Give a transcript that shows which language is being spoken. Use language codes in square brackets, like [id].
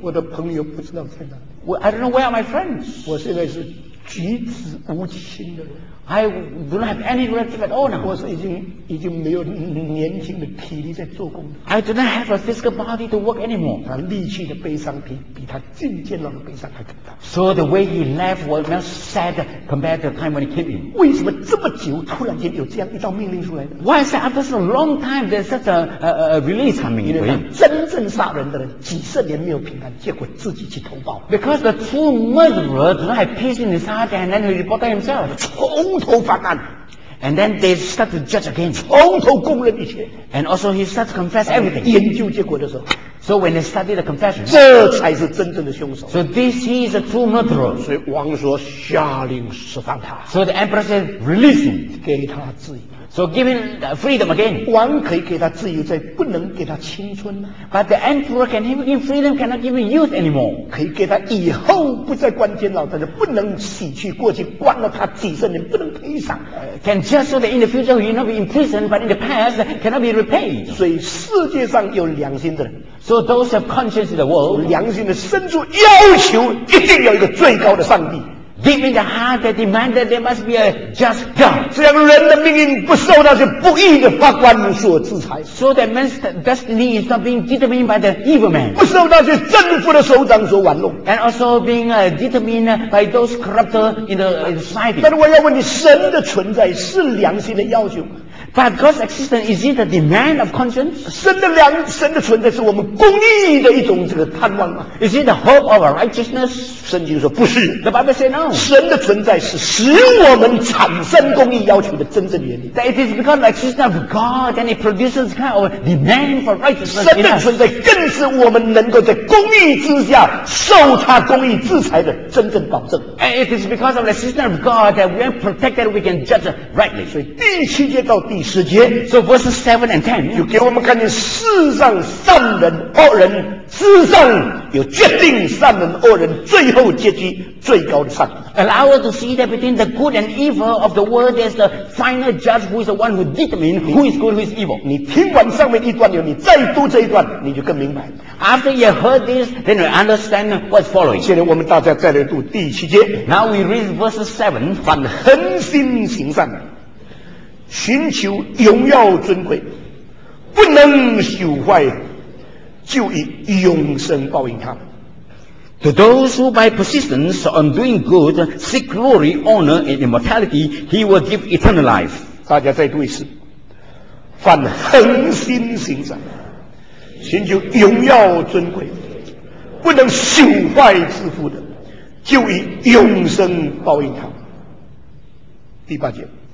[zh] 我的朋友不知道在哪里 [en] I don't know where are my friends [zh] 我现在是举止无亲的人 [en] I do not have any relative at all now. [zh] 我是已经没有年轻的体力在做工。 [en] I do not have a physical body to work anymore. [zh] 他离去的悲伤比他进监牢的悲伤还更大。 [en] So the way he left was not sad compared to the time when he came in. [zh] 为什么这么久突然间有这样一道命令出来的 [en] ？Why is that after such a long time there's such a release coming in? [zh] 因为真正杀人的人几十年没有平安，结果自己去投保。 [en] Because the true murderer do not have peace in his heart and then he reported himself. [zh] 从头翻案。 [en] And then they start to judge again. [zh] 从头供认一切。 [en] And also he starts to confess everything. [zh] 研究结果的时候。 [en] So when they study the confession. [zh] 这才是真正的凶手。 [en] So this is a true murderer. [zh] 所以王说下令释放他。 [en] So the emperor said release him. [zh] 给他自由。 [en] So giving freedom again. [zh] 王可以给他自由，在不能给他青春呢。 [en] But the emperor can give him freedom, cannot give him youth anymore. [zh] 可以给他以后不再关监牢，但是不能洗去过去关了他几十年不能赔偿。 [en] Can just so that in the future he will not be in prison, but in the past cannot be repaid. [zh] 所以世界上有良心的人。 [en] So those have conscience in the world. [zh] 良心的深处要求一定有一个最高的上帝。 [en] Deep in the heart, they demand that there must be a just God. [zh] 这样人的命运不受那些不义的法官所制裁。 [en] So that man's destiny is not being determined by the evil man. [zh] 不受那些政府的首长所玩弄。 [en] And also being determined by those corrupt in the society. [zh] 但我要问你，神的存在是良心的要求吗？ [en] But God's existence, is it a demand of conscience? [zh] 神的存在是我们公义的一种这个盼望吗？ [en] Is it the hope of our righteousness? [zh] 圣经说不是。 [en] The Bible says no. [zh] 神的存在是使我们产生公义要求的真正原因。 [en] That it is because of the existence of God and it produces kind of demand for righteousness. [zh] 神的存在更是我们能够在公义之下受他公义制裁的真正保证。 [en] And it is because of the existence of God that we are protected, we can judge rightly. [zh] 所以第七节到第十节 [en] so verses 7 and 10 [zh] 就给我们看见世上善人恶人之上有决定善人恶人最后结局最高的上帝 [en] allow us to see that between the good and evil of the world there's the final judge who is the one who determines who is good who is evil [zh] 你听完上面一段你再读这一段你就更明白 [en] after you heard this then you understand what's following [zh] 现在我们大家再来读第七节 [en] now we read verses 7 [zh] 凡恒心行善寻求荣耀尊贵不能朽坏就以永生报应他们 [en] To those who by persistence on doing good seek glory, honor and immortality he will give eternal life [zh] 大家再读一次凡恒心行善寻求荣耀尊贵不能朽坏之父的就以永生报应他们第八节